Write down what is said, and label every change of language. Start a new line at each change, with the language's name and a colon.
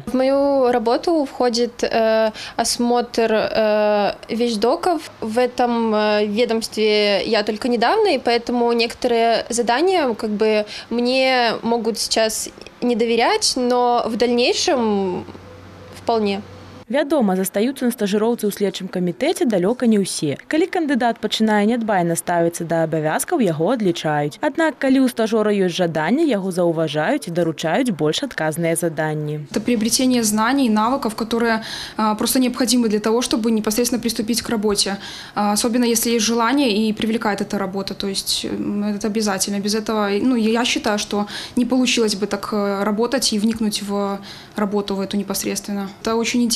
Russian: В мою работу входит осмотр вещдоков. В этом ведомстве я только недавно, и поэтому некоторые задания как бы мне могут сейчас не доверять, но в дальнейшем вполне.
Belarusian: Вядома, застаюцца на стажыроўцы ў следчым камітэце далёка не ўсе. Калі кандыдат пачынае нядбайна ставіцца да абавязкаў, яго адлічаюць. Аднак, калі ў стажора ёсць жаданне, яго заўважаюць і даручаюць больш адказныя заданні.
Russian: Это приобретение знаний, навыков, которые просто необходимы для того, чтобы непосредственно приступить к работе. Особенно, если есть желание и привлекает эта работа. То есть это обязательно. Без этого, ну, я считаю, что не получилось бы так работать и вникнуть в работу в эту непосредственно. Это очень интересно.